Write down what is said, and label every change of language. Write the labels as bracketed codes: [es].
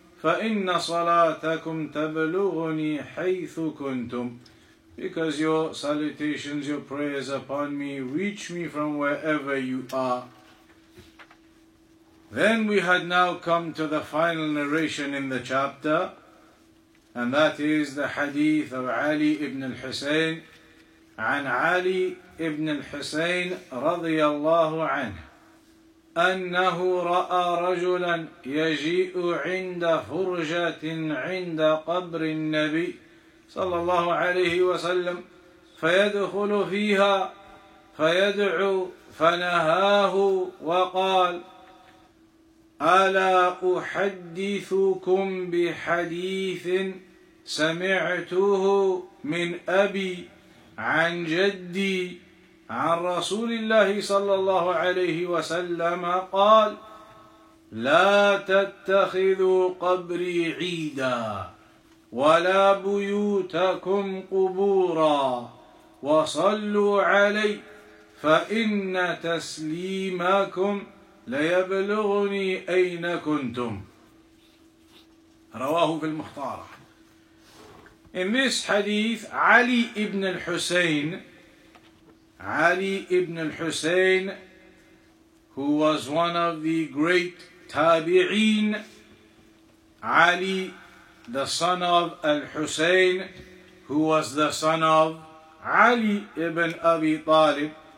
[ar] فَإِنَّ صَلَاتَكُمْ تَبْلُغُنِي حَيْثُ كُنْتُمْ, [en] because your salutations, your prayers upon me reach me from wherever you are. Then we had now come to the final narration in the chapter, and that is the hadith of Ali ibn al-Husayn. [ar] عن علي ibn al-Husayn رضي الله عنه أنه رأى رجلا يجيء عند فرجة عند قبر النبي صلى الله عليه وسلم فيدخل فيها فيدعو فنهاه وقال ألا أحدثكم بحديث سمعته من أبي عن جدي عن رسول الله صلى الله عليه وسلم قال لا تتخذوا قبري عيدا ولا بيوتكم قبورا وصلوا علي فإن تسليمكم ليبلغني أين كنتم. رواه في المختارة. [en] In this hadith, Ali ibn al-Husayn, Ali ibn al-Husayn, who was one of the great tabi'een, Ali, the son of al-Husayn, who was the son of Ali ibn Abi Talib.